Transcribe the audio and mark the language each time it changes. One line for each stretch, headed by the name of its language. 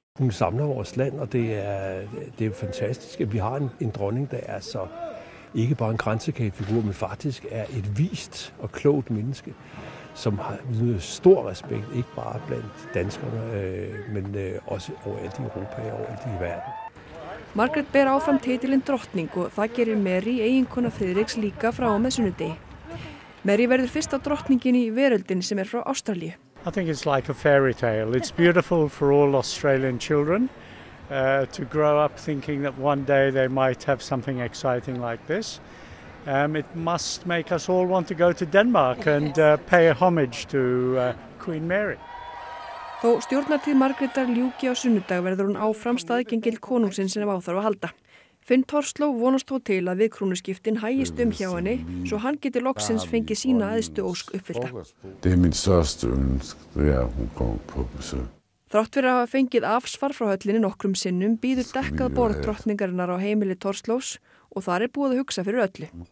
Danish: Hún samler vores land, og det er fantastisk, at vi har en dronning, der er så ikke bare en grænsekagefigur, men faktisk er et vist og klogt menneske, som har stor respekt, ikke bare blandt danskerne, men også overalt i Europa og overalt i verden.
Icelandic: Margrét ber áfram titilin drottning, og það gerir Mary eiginkona Friðriks líka frá og með sunnudegi. Mary verður fyrsta drottningin í veröldin sem frá Ástralíu.
English: I think it's like a fairy tale. It's beautiful for all Australian children to grow up thinking that one day they might have something exciting like this. It must make us all want to go to Denmark and pay a homage to Queen Mary.
Icelandic: Þó stjórnartíð Margrétar ljúki á sunnudag verður hún áfram staðgengil konungsins sem á þarf að halda. Finn Torsló vonast þó til að við krúnuskiptin hægist hjá henni svo hann geti loksins fengið sína æðstu ósk uppfyllta. Þrátt fyrir að hafa fengið afsvar frá höllinni nokkrum sinnum býður dekkað borð drottningarinnar á heimili Torslós og þar búið að hugsa fyrir öllu.